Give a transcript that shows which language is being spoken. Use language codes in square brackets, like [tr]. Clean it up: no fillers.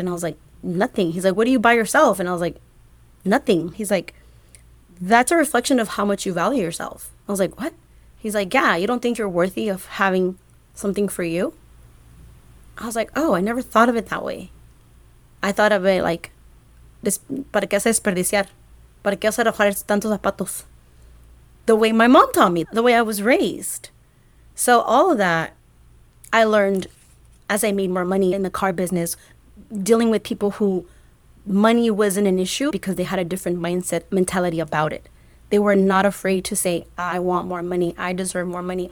[en] And I was like, nothing. He's like, what do you buy yourself? And I was like, nothing. He's like, that's a reflection of how much you value yourself. I was like, what? He's like, yeah, you don't think you're worthy of having something for you? I was like, oh, I never thought of it that way. I thought of it like, [es] ¿para qué desperdiciar? ¿Para qué arrojar tantos zapatos? [en] The way my mom taught me, the way I was raised. So all of that, I learned as I made more money in the car business, dealing with people who money wasn't an issue because they had a different mindset, mentality about it. They were not afraid to say, I want more money. I deserve more money.